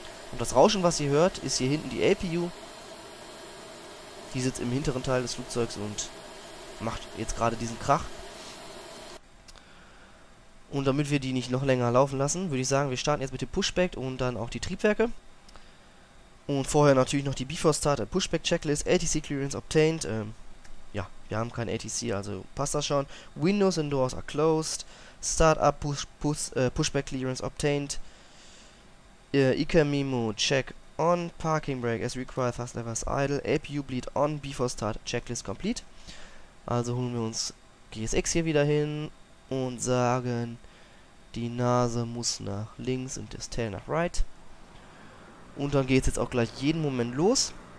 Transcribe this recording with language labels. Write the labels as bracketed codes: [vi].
[de] Und das Rauschen, was ihr hört, ist hier hinten die APU. Die sitzt im hinteren Teil des Flugzeugs und macht jetzt gerade diesen Krach. Und damit wir die nicht noch länger laufen lassen, würde ich sagen, wir starten jetzt mit dem Pushback und dann auch die Triebwerke. Und vorher natürlich noch die [en] Before Start Pushback Checklist, ATC Clearance obtained. [de] Ja, wir haben kein ATC, also passt das schon. [en] Windows and Doors are closed. Startup Pushback Clearance obtained. Ikemimo check on. Parking brake as required, thrust levers idle. APU bleed on. Before Start Checklist complete. [de] Also holen wir uns GSX hier wieder hin und sagen, die Nase muss nach links und das Tail nach right. Und dann geht es jetzt auch gleich jeden Moment los.